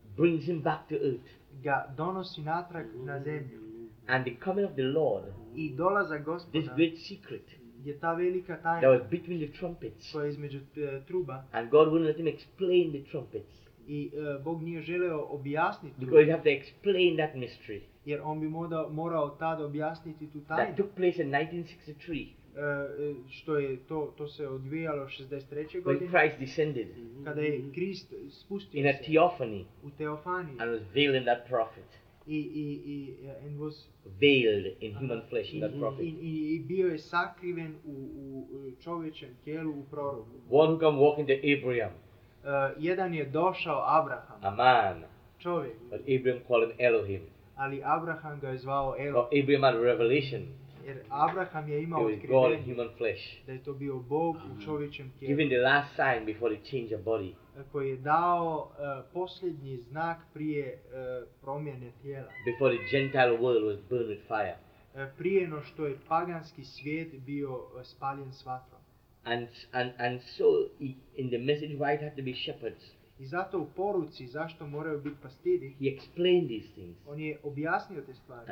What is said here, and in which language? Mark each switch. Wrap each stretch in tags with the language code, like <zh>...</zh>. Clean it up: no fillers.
<en>brings him back to earth.</en> <hr>Ga donosi natrag na zemlju.</hr> <en>And the coming of the Lord,</en> <hr>i dolazak gospoda,</hr> <en>this great secret,</en> <hr>je ta velika tajna,</hr> <en>that was between the trumpets,</en> <hr>koja je između truba,</hr> <en>and God wouldn't let him explain the trumpets.</en> <hr>I Bog nije želeo objasniti.</hr> <en>Because you have to explain that mystery.</en> <hr>Jer on bi morao tad objasniti tu tajnu.</hr> <en>That took place in 1963.</en> <hr>što je to, to se odvijalo 63.</hr> <en>godine. When Christ descended.</en> <hr>Kada je Krist spustio</hr> <en>in a theophany.</en> <hr>U teofaniji.</hr> <en>And was veiled in that prophet. I and was veiled in human flesh in that prophet.</en> <hr>I bio je sakriven u čovječem tijelu u proroku.</hr> <en>One who come walking to Abraham.</en> <hr>Jedan je došao Abraham.</hr> <en>A man.</en> <hr>Čovjek.</hr> <en>But Abraham called him Elohim.</en> <hr>Ali Abraham ga je zvao Elohim.</hr> <en>But Abraham had a revelation.</en> <hr>Jer Abraham je imao otkrivenje da je to bio Bog u čovječem tijelu.</hr> <en>Giving the last sign before the change of body.</en> <hr>Koji je dao posljednji znak prije promjene tijela.</hr> <en>Before the Gentile world was burned with fire.</en> <hr>Prije no što je paganski svijet bio spaljen s vatrom.</hr> <en>And so in the message why it had to be shepherds.</en> <hr>I zato u poruci zašto moraju biti pastiri.</hr> <en>He explained these things.</en> <hr>On je objasnio te stvari.</hr>